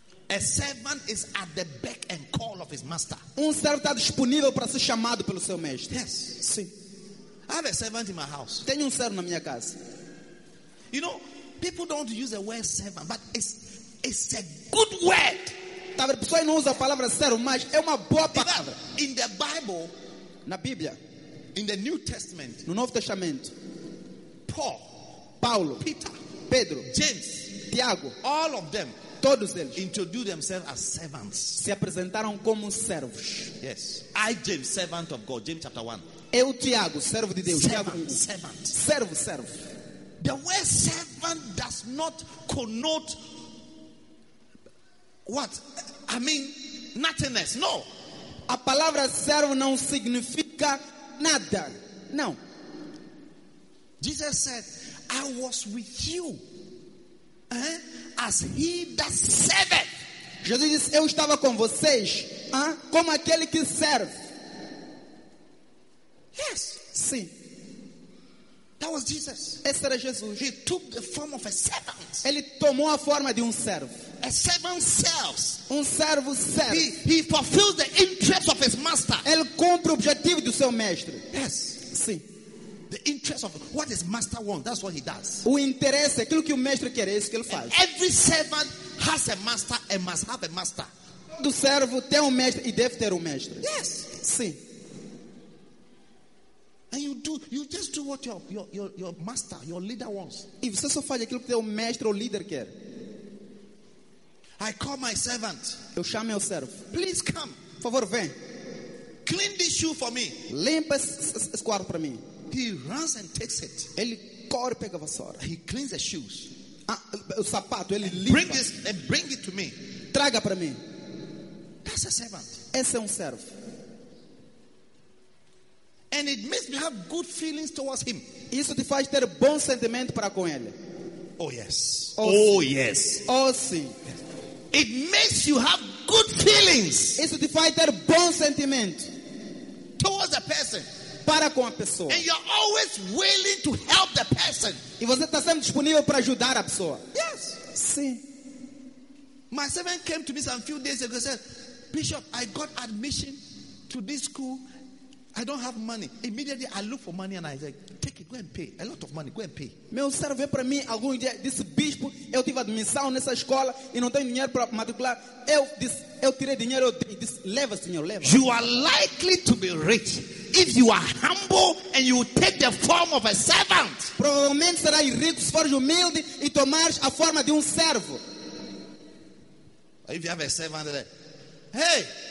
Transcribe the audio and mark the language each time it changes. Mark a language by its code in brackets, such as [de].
[en] A servant is at the beck and call of his master. [pt] Servo está disponível para ser chamado pelo seu mestre. [en] Yes. [pt] Sim. [en] I have a servant in my house. [pt] Tenho servo na minha casa. [en] You know, people don't use the word servant, but it's a good word. [pt] Tá vendo? Pessoas não usam a palavra servo, mas é uma boa palavra. [en] In the Bible, [pt] na Bíblia, [en] in the New Testament, [pt] no Novo Testamento, [en] Paul, [pt] Paulo, [en] Peter, [pt] Pedro, [en] James, [pt] Tiago, [en] all of them, [pt] todos eles, [en] introduced themselves as servants. [pt] Se apresentaram como servos. [en] Yes, I, James, servant of God, James chapter 1. [pt] Eu, Tiago, servo de Deus, [en] servant. [pt] Servo, servo. [en] The word servant does not connote what? I mean, nothingness. No. [pt] A palavra servo não significa nada. Não. [en] Jesus said, I was with you as he that serveth. [pt] Jesus disse, eu estava com vocês como aquele que serve. [en] Yes. [pt] Sim. [en] That was Jesus. [pt] Esse era Jesus. [en] He took the form of a servant. [pt] Ele tomou a forma de um servo. [en] A servant serves. [pt] Um servo serve. [en] He fulfills the interest of his master. [pt] Ele cumpre o objetivo do seu mestre. [en] Yes. [pt] Sim. [en] The interest of what his master wants, that's what he does. [pt] O interesse, aquilo que o mestre quer, é isso que ele faz. [en] And every servant has a master and must have a master. [pt] Todo servo tem mestre e deve ter mestre. [en] Yes. [pt] Sim. [en] And you just do what your master, your leader wants. [pt] E você só faz aquilo que teu mestre ou líder quer. [en] I call my servant. [pt] Eu chamo meu servo. [en] Please come. [pt] Por favor, vem. [en] Clean this shoe for me. [pt] Limpa esse quarto para mim. [en] He runs and takes it. [pt] Ele corre e pega a vassoura. [en] He cleans the shoes. [pt] O sapato, ele limpa. [en] Bring this and bring it to me. [pt] Traga para mim. [en] That's a servant. [pt] Esse é servo. [en] And it makes me have good feelings towards him. [pt] Isso te faz ter bom sentimento para com ele. [en] Oh yes. Oh, oh yes. [pt] Oh sim. [en] It makes you have good feelings. [pt] Isso te faz ter bom sentimento [en] towards a person. [pt] Para com a pessoa. [en] And you're always willing to help the person. [pt] E você está sempre disponível para ajudar a pessoa. [en] Yes. [pt] Sim. [en] My servant came to me some few days ago and said, Bishop, I got admission to this school. I don't have money. Immediately I look for money and I say, take it, go and pay. A lot of money, go and pay. [pt] Meu servo veio para mim algum dia, disse, bispo, eu tive admissão nessa escola e não tenho dinheiro para matricular. Eu tirei dinheiro, disse, leva, senhor, leva. [en] You are likely to be rich if you are humble and you take the form of a servant. [pt] Provavelmente serás rico se fores humilde e tomares a forma de servo. [en] If you have a servant, like, hey.